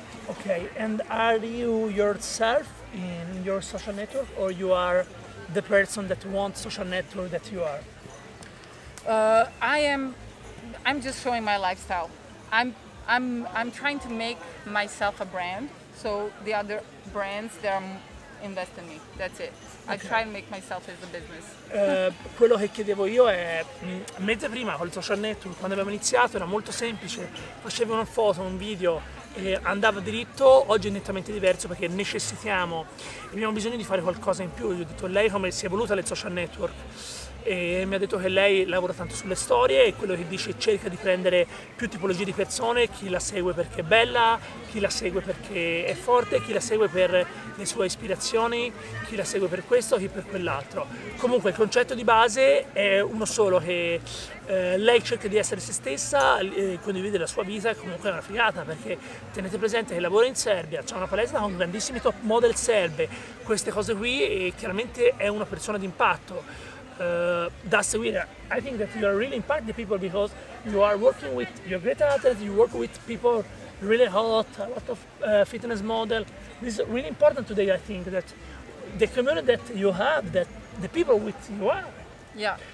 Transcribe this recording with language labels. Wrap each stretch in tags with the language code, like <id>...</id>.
<en>Okay, and are you yourself in your social network or you are the person that wants social network that you are? I'm just showing my lifestyle. I'm trying to make myself a brand, so the other brands that invest in me, that's it. Okay. I try and make myself as a business.</en> <it>Quello che chiedevo io è, mezza prima con il social network, quando abbiamo iniziato era molto semplice, facevi una foto, un video e andava dritto, oggi è nettamente diverso perché necessitiamo, abbiamo bisogno di fare qualcosa in più. Gli ho detto lei come si è evoluta le social network e mi ha detto che lei lavora tanto sulle storie e quello che dice cerca di prendere più tipologie di persone, chi la segue perché è bella, chi la segue perché è forte, chi la segue per le sue ispirazioni, chi la segue per questo, chi per quell'altro. Comunque il concetto di base è uno solo, che lei cerca di essere se stessa, condivide la sua vita, comunque è una figata perché tenete presente che lavora in Serbia, c'è una palestra con grandissimi top model serbe, queste cose qui, e chiaramente è una persona d'impatto. Da seguire.</it> <en>I think that you are really impacting the people because you are working with your great athletes, you work with people really hot, a lot of fitness model. This is really important today, I think, that the community that you have, that the people with you are. Yeah.</en>